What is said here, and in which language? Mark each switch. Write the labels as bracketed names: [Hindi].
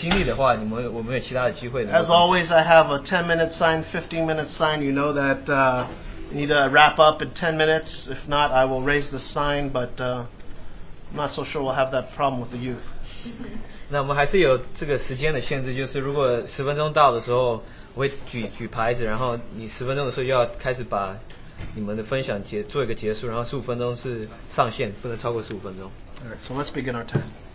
[Chinese] 那特别就是这次的分享,请弟兄姐妹们,特别是分享,年轻人特别是分享,这次大会内容的,如果你是关于你自己的经历的话,我们有其他的机会能够分享。 [English] As always, I have a 10-minute sign, 15-minute sign, you know that... need to wrap up in 10 minutes. If not, I will raise the sign, but I'm not so sure we'll have that problem with the youth. [Chinese] 那我们还是有这个时间的限制,就是如果10分钟到的时候,我会举牌子,然后你10分钟的时候要开始把你们的分享做一个结束,然后15分钟是上限,不能超过15分钟。 [English] Alright, so let's begin our time.